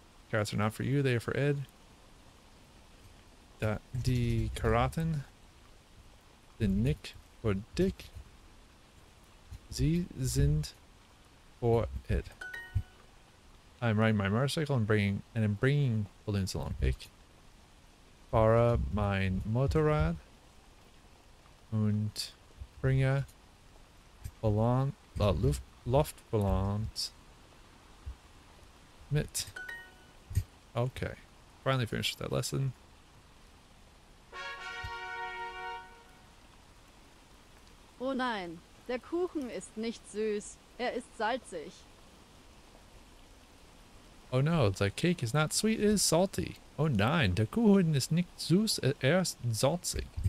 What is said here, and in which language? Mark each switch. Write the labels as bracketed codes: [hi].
[en] Carrots are not for you, they are for Ed. [de] Die Karotten. Den Nick for Dick. Sie sind [en] for Ed. I'm riding my motorcycle and bringing balloons along. [de] Ich fahre mein Motorrad und bringe Luftballons mit. [en] Okay, finally finished that lesson. [de] Oh nein, der Kuchen ist nicht süß, er ist salzig. [en] Oh no, the cake is not sweet, it is salty. [de] Oh nein, der Kuchen ist nicht süß, er ist salzig.